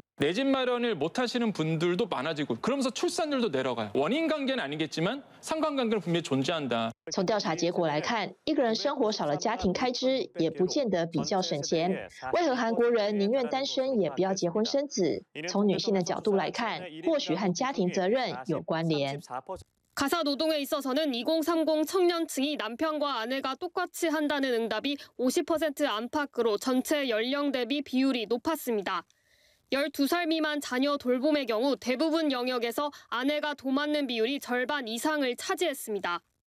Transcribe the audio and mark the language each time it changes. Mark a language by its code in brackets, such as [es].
[ko] 내집 마련을 못 하시는 분들도 많아지고 그러면서 출산율도 내려가요. 원인 관계는 아니겠지만 상관관계는 분명히 존재한다. [zh] 从调查结果来看，一个人生活少了家庭开支，也不见得比较省钱。为何韩国人宁愿单身也不要结婚生子？从女性的角度来看，或许和家庭责任有关联。 [ko] 가사노동에 있어서는 2030청년층이 남편과 아내가 똑같이 한다는 응답이 50% 안팎으로 전체 연령 대비 비율이 높았습니다. 12살 미만 자녀 돌봄의 경우 대부분 영역에서 아내가 도맡는 비율이 절반 이상을 차지했습니다.